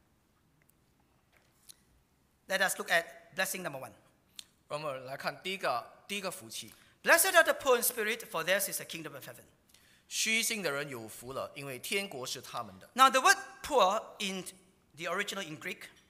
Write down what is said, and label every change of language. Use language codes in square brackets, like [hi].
[zh] 你会完全的经历它。那它更重要的意思是什么呢？那亲爱的弟兄姐妹朋友们，人生有苦难，但是我们对神的儿女以后有更好的东西等待着我们。因此呢，我们忍一忍吧，我们不要放弃，我们忍一忍吧，因为有一天这些我们已经开始经历的福气呢，有一天会完全的被经历到。因此，我们有理由忍耐。 [en] Let us look at blessing number one. [zh] 我们来看第一个福气。 [en] Blessed are the poor in spirit, for theirs is the kingdom of heaven. [zh] 虚心的人有福了，因为天国是他们的。 [en] Now the word poor in the original in Greek.